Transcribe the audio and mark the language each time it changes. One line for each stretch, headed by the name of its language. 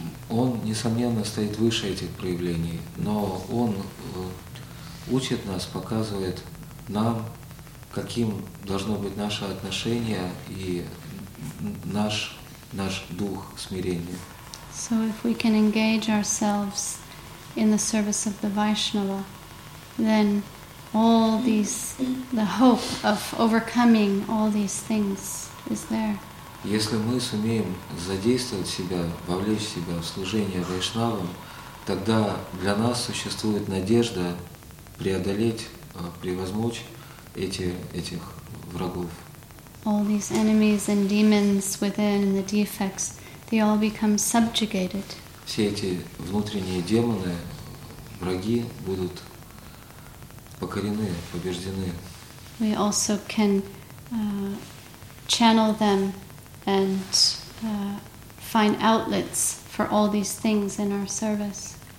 Russian: Он, несомненно, стоит выше этих проявлений, но он учит нас, показывает нам, каким должно быть наше отношение и наш дух смирения.
English: So if we can engage ourselves in the service of the Vaishnava, then all these, the hope of overcoming all these things is there.
Russian: Если мы сумеем задействовать себя, вовлечь себя в служение Вайшнавам, тогда для нас существует надежда преодолеть, превозмочь этих врагов.
English: All these enemies and demons within, the defects, they all become subjugated.
Russian: Все эти внутренние демоны, враги будут покорены, побеждены.
English: We also can channel them and find outlets for all these things in our service.